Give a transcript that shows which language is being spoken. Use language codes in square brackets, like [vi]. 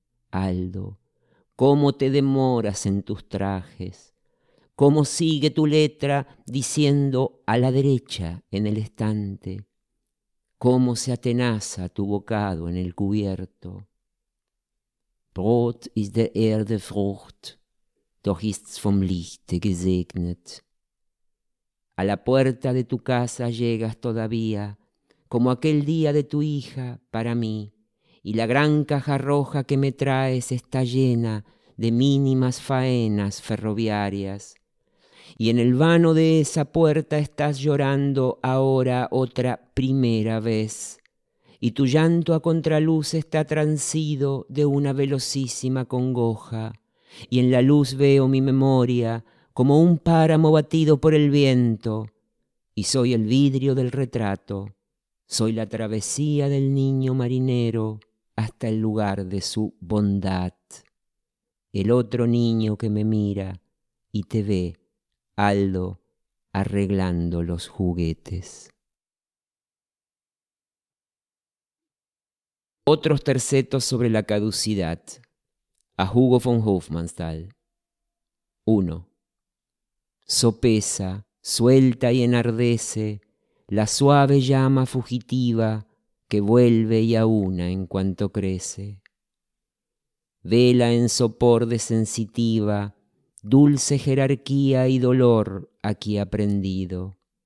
[es] Aldo, cómo te demoras en tus trajes, cómo sigue tu letra diciendo a la derecha en el estante, cómo se atenaza tu bocado en el cubierto. [de] Brot is der Erde Frucht, doch ist's vom Lichte gesegnet. [es] A la puerta de tu casa llegas todavía, como aquel día de tu hija para mí, y la gran caja roja que me traes está llena de mínimas faenas ferroviarias. Y en el vano de esa puerta estás llorando ahora otra primera vez, y tu llanto a contraluz está transido de una velocísima congoja, y en la luz veo mi memoria como un páramo batido por el viento, y soy el vidrio del retrato, soy la travesía del niño marinero hasta el lugar de su bondad. El otro niño que me mira y te ve, Aldo, arreglando los juguetes. Otros tercetos sobre la caducidad. A Hugo von Hofmannsthal. 1. Sopesa, suelta y enardece la suave llama fugitiva que vuelve y aúna en cuanto crece. Vela en sopor de sensitiva, dulce jerarquía y dolor aquí aprendido.